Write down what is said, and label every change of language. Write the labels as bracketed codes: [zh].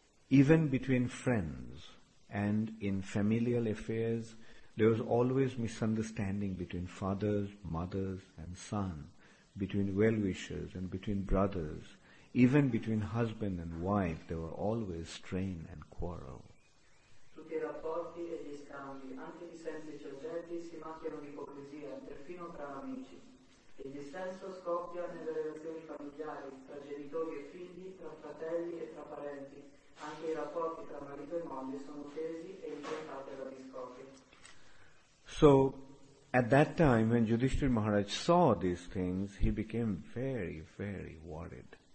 [en] Even between friends and in familial affairs, there was always misunderstanding between fathers, mothers and son, between well-wishers and between brothers. Even between husband and wife, there were always strain and quarrel. [it] Tutti i rapporti e gli scambi, anche di semplici oggetti, si macchiano di ipocrisia, perfino tra amici. E il dissenso scoppia nelle relazioni familiari, tra genitori e figli, tra fratelli e tra parenti. Anche i rapporti tra marito e moglie sono tesi e incontrati alla discordia. [en] So, At that time, when Yudhishthira Maharaj saw these things, he became very, very worried.